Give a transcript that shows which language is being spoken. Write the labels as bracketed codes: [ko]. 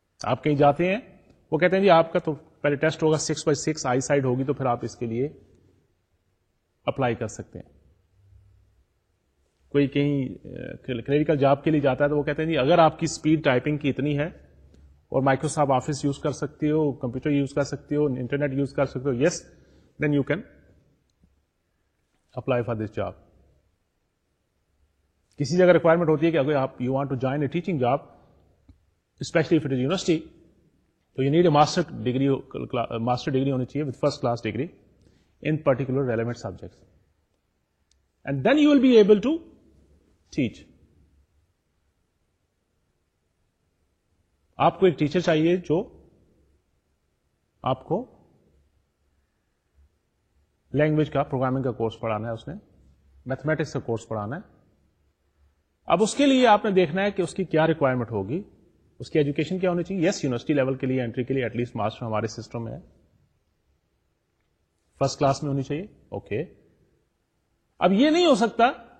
[ur] آپ کہیں جاتے ہیں وہ کہتے ہیں جی آپ کا تو پہلے ٹیسٹ ہوگا 6x6 آئی سائڈ ہوگی تو پھر آپ اس کے لیے اپلائی کر سکتے ہیں کوئی کہیں کلیریکل جاب کے لیے جاتا ہے تو وہ کہتے ہیں جی اگر آپ کی اسپیڈ ٹائپنگ کی اتنی ہے اور مائکروسافٹ آفس یوز کر سکتے ہو کمپیوٹر یوز کر سکتے ہو انٹرنیٹ یوز کر سکتے ہو [en] yes then you can apply for this job [ur] کسی جگہ ریکوائرمنٹ ہوتی ہے کہ اگر آپ [en] you want to join a teaching job especially if it is university, so you need a master degree [ur] ہونی چاہیے [en] with first class degree in particular relevant subjects. And then you will be able to teach. [ur] آپ کو ایک teacher چاہیے جو آپ کو language کا پروگرامنگ کا کورس پڑھانا ہے اس نے میتھمیٹکس کا کورس پڑھانا ہے اب اس کے لیے آپ نے دیکھنا ہے کہ اس کی کیا ریکوائرمنٹ ہوگی اس کی ایجوکیشن کیا ہونی چاہیے یس یونیورسٹی لیول کے لیے انٹری کے لیے ایٹ لیسٹ ماسٹر ہمارے سسٹم میں ہے فرسٹ کلاس میں ہونی چاہیے اوکے اب یہ نہیں ہو سکتا